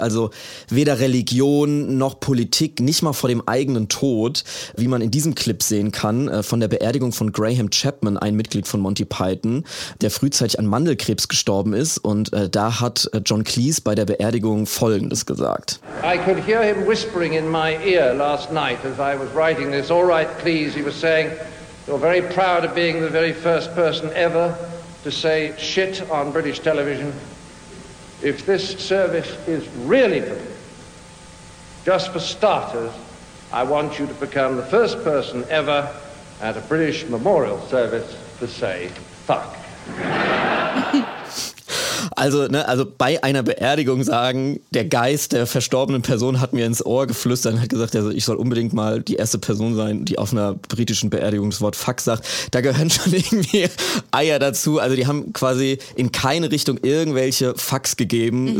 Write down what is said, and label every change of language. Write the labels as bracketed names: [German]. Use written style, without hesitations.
[German] Also weder Religion noch Politik, nicht mal vor dem eigenen Tod, wie man in diesem Clip sehen kann, von der Beerdigung von Graham Chapman, ein Mitglied von Monty Python, der frühzeitig an Mandelkrebs gestorben ist. Und da hat John Cleese bei der Beerdigung Folgendes gesagt. [English] I could hear him whispering in my ear last night as I was writing this. All right, Cleese, he was saying, you're very proud of being the very first person ever to say shit on British television. If this service is really for me, just for starters, I want you to become the first person ever at a British memorial service to say fuck. [German] Also, ne, also bei einer Beerdigung sagen, der Geist der verstorbenen Person hat mir ins Ohr geflüstert und hat gesagt, also ich soll unbedingt mal die erste Person sein, die auf einer britischen Beerdigung das Wort Fuck sagt. Da gehören schon irgendwie Eier dazu. Also die haben quasi in keine Richtung irgendwelche Fucks gegeben. Mhm.